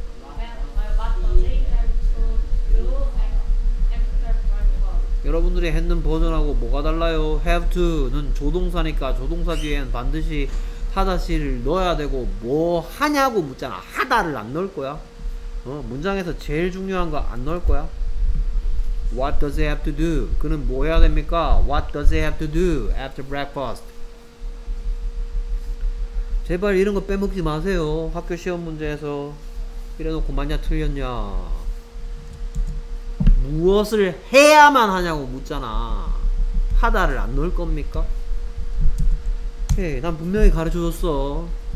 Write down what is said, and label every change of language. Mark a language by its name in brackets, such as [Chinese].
[English] What does he have to do after breakfast? [Korean] 여러분들이 했는 버전하고 뭐가 달라요? have to는 조동사니까 조동사 뒤엔 반드시 하다시를 넣어야 되고 뭐 하냐고 묻잖아. 하다를 안 넣을 거야. 어, 문장에서 제일 중요한 거 안 넣을 거야. [English] What does he have to do? [Korean] 그는 뭐 해야 됩니까? [English] What does he have to do after breakfast? [Korean] 제발 이런 거 빼먹지 마세요. 학교 시험 문제에서 이래놓고 맞냐 틀렸냐. 무엇을 해야만 하냐고 묻잖아. 하다를 안 넣을 겁니까? 오케이, 난 분명히 가르쳐줬어.